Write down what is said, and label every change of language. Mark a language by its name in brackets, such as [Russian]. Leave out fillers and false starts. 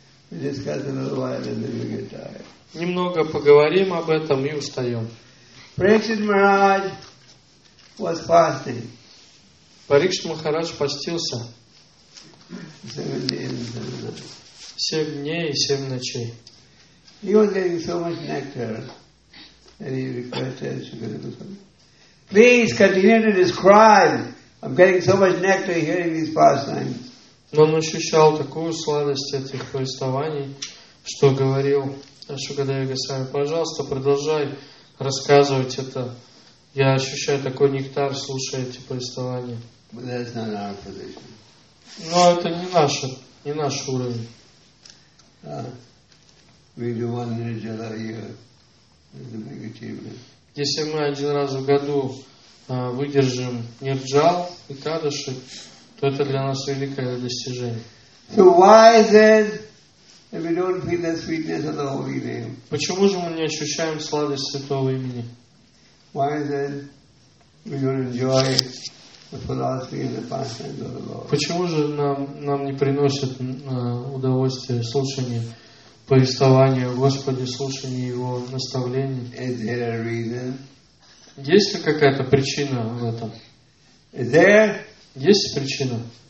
[English] We discuss it a little while and then we get tired. [Russian] Немного поговорим об этом и устаем. [English] Parikshit Maharaj was fasting. [Russian] Парикшит Махарадж постился. [English] 7 days. [Russian] 7 дней и 7 ночей. [English] He was getting so much nectar, and he requested Shukadeva Goswami, please continue to describe. I'm getting so much nectar hearing these pastimes. [Russian] Но он ощущал такую сладость этих повествований, что говорил Шукадеве Госвами: пожалуйста, продолжай рассказывать это. Я ощущаю такой нектар, слушая эти повествования. [English] But that's not our position. [Russian] Но это не наш уровень. [English] We do one nirjala year. It's a big achievement. [Russian] Если мы один раз в году выдержим нирджал и кадыши, то это для нас великое достижение. [English] So why is it And we don't feel the sweetness of the holy name. [Russian] Почему же мы не ощущаем сладость святого имени? [English] Why then we don't enjoy the philosophy and the pastimes of the Lord? [Russian] Почему же нам не приносит удовольствие слушание повествования Господа, слушание Его наставлений? [English] Is there a reason? [Russian] Есть ли какая-то причина в этом? [English] Is there? [Russian] Есть причина?